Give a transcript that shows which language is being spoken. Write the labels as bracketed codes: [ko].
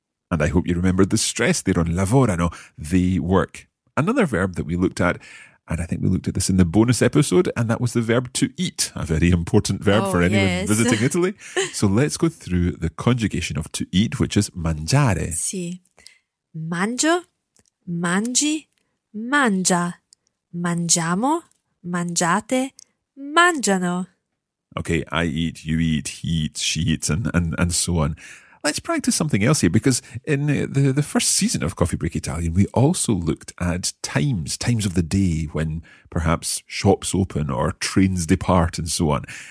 [en] And I hope you remember the stress there on lavorano, the work. Another verb that we looked at, and I think we looked at this in the bonus episode, and that was the verb to eat, a very important verb for anyone visiting Italy. So let's go through the conjugation of to eat, which is mangiare. [it] Sì. Mangio, mangi, mangia. Mangiamo, mangiate, mangiano. [en] Okay, I eat, you eat, he eats, she eats, and so on. Let's practice something else here, because in the first season of Coffee Break Italian, we also looked at times of the day when perhaps shops open or trains depart and so on.